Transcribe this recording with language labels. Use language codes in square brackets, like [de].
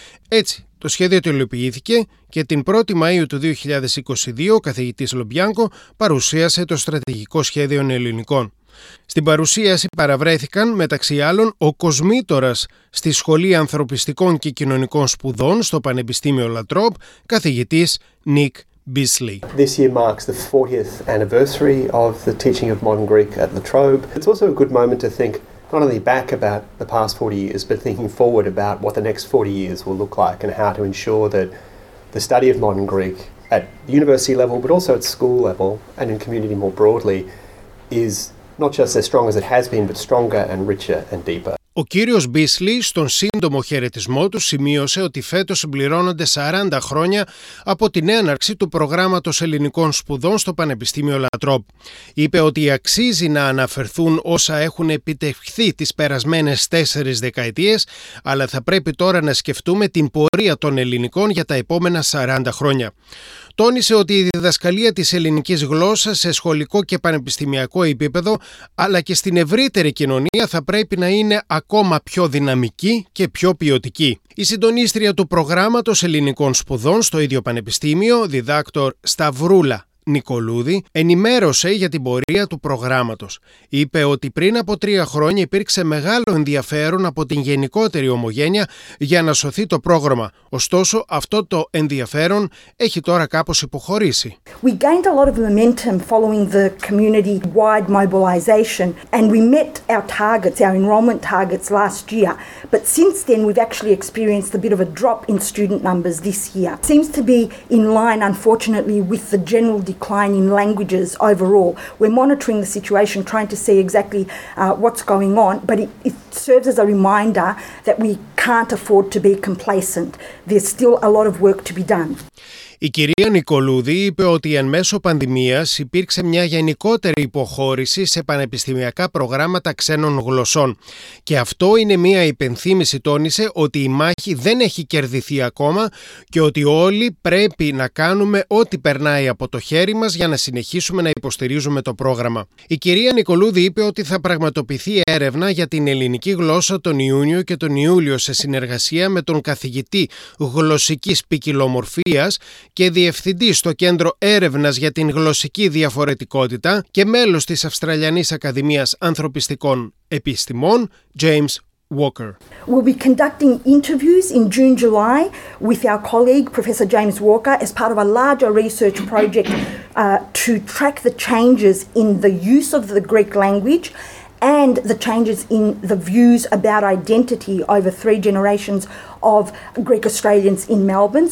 [el] Έτσι, το σχέδιο τελειοποιήθηκε και την 1η Μαΐου του 2022 ο καθηγητής Λο Μπιάνκο παρουσίασε το στρατηγικό σχέδιο νεοελληνικών. Στην παρουσίαση παραβρέθηκαν μεταξύ άλλων ο Κοσμήτορας στη Σχολή Ανθρωπιστικών και Κοινωνικών Σπουδών στο Πανεπιστήμιο Λατρόμπ, καθηγητής Νίκ Beasley. [en] This year marks the 40th anniversary of the teaching of modern Greek at Latrobe. It's also a good moment to think not only back about the past 40 years, but thinking forward about what the next 40 years will look like and how to ensure that the study of modern Greek at university level, but also at school level and in community more broadly, is not just as strong as it has been, but stronger and richer and deeper. [el] Ο κύριος Μπίσλι, στον σύντομο χαιρετισμό του, σημείωσε ότι φέτος συμπληρώνονται 40 χρόνια από την έναρξη του Προγράμματος Ελληνικών Σπουδών στο Πανεπιστήμιο Λατρόμπ. Είπε ότι αξίζει να αναφερθούν όσα έχουν επιτευχθεί τις περασμένες 4 δεκαετίες, αλλά θα πρέπει τώρα να σκεφτούμε την πορεία των ελληνικών για τα επόμενα 40 χρόνια. Τόνισε ότι η διδασκαλία της ελληνικής γλώσσας σε σχολικό και πανεπιστημιακό επίπεδο, αλλά και στην ευρύτερη κοινωνία, θα πρέπει να είναι ακόμα πιο δυναμική και πιο ποιοτική. Η συντονίστρια του Προγράμματος Ελληνικών Σπουδών στο ίδιο πανεπιστήμιο, διδάκτορ Σταυρούλα Νικολούδη, ενημέρωσε για την πορεία του προγράμματος. Είπε ότι πριν από 3 χρόνια υπήρξε μεγάλο ενδιαφέρον από την γενικότερη ομογένεια για να σωθεί το πρόγραμμα. Ωστόσο, αυτό το ενδιαφέρον έχει τώρα κάπως υποχωρήσει. [en] We gained a lot of momentum following the community-wide mobilization and we met our targets, our enrollment targets last year. But since then we've actually experienced a bit of a drop in student numbers this year. Seems to be in line, unfortunately, with the general decline in languages overall. We're monitoring the situation, trying to see exactly what's going on, but it serves as a reminder that we can't afford to be complacent. There's still a lot of work to be done. [el] Η κυρία Νικολούδη είπε ότι εν μέσω πανδημίας υπήρξε μια γενικότερη υποχώρηση σε πανεπιστημιακά προγράμματα ξένων γλωσσών. Και αυτό είναι μια υπενθύμηση, τόνισε, ότι η μάχη δεν έχει κερδιθεί ακόμα και ότι όλοι πρέπει να κάνουμε ό,τι περνάει από το χέρι μας για να συνεχίσουμε να υποστηρίζουμε το πρόγραμμα. Η κυρία Νικολούδη είπε ότι θα πραγματοποιηθεί έρευνα για την ελληνική γλώσσα τον Ιούνιο και τον Ιούλιο σε συνεργασία με τον καθηγητή γλωσσικής ποικιλομορφίας και διευθυντή στο Κέντρο Έρευνας για την Γλωσσική Διαφορετικότητα και μέλος της Αυστραλιανής Ακαδημίας Ανθρωπιστικών Επιστημών, James Walker. [en] We'll be conducting interviews in June, July with our colleague, Professor James Walker, as part of a larger research project to track the changes in the use of the Greek language and the changes in the views about identity over 3 generations of Greek Australians in Melbourne.